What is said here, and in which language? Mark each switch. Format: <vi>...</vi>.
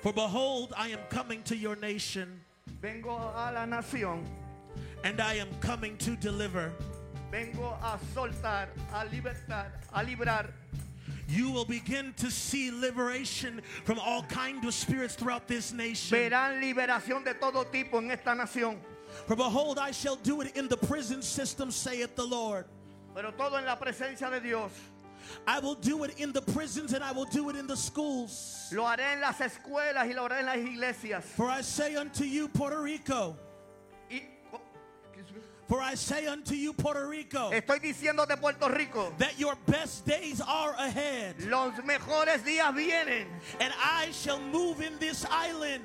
<en>for behold, I am coming to your nation,</en> <es>vengo a la nación,</es> <en>and I am coming to deliver.</en> <es>Vengo a soltar, a libertar, a librar.</es> <en>You will begin to see liberation from all kinds of spirits throughout this nation.</en> <es>Verán liberación de todo tipo en esta nación.</es> <en>For behold, I shall do it in the prison system, saith the Lord.</en> <es>Pero todo en la presencia de Dios.</es> <en>I will do it in the prisons and I will do it in the schools.</en> <es>Lo haré en las escuelas y lo haré en las iglesias.</es> <en>For I say unto you, Puerto Rico. For I say unto you, Puerto Rico.</en> <es>Estoy diciendo de Puerto Rico.</es> <en>That your best days are ahead.</en> <es>Los mejores días vienen.</es> <en>And I shall move in this island.</en>